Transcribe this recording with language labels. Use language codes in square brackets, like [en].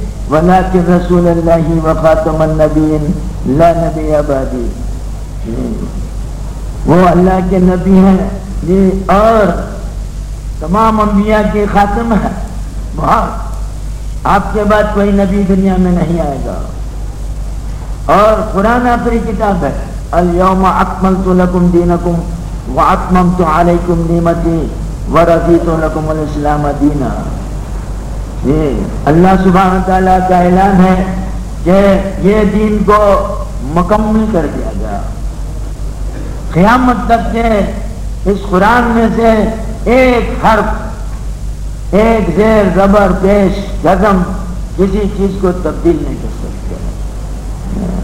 [ar] وَلَكِنْ رَسُولَ اللَّهِ وَخَاتَمَ النَّبِيِّينَ لَا نَبِيَّ بَعْدِي. [ur] وہ اللہ کے نبی ہیں جی، اور تمام انبیاء کے خاتم ہیں. بہت آپ کے بعد کوئی نبی دنیا میں نہیں آئے گا. اور قرآن آخری کتاب ہے. [ar] الیوم اکملت لکم دینکم واتممت علیکم نعمتی ورضیت لکم الاسلام دینا. [ur] جی، اللہ سبحانہ تعالیٰ کا اعلان ہے کہ یہ دین کو مکمل کر دیا گیا. قیامت تک کے اس قرآن میں سے ایک حرف، ایک زیر، زبر، پیش، قدم کسی چیز کو تبدیل نہیں کر سکتے.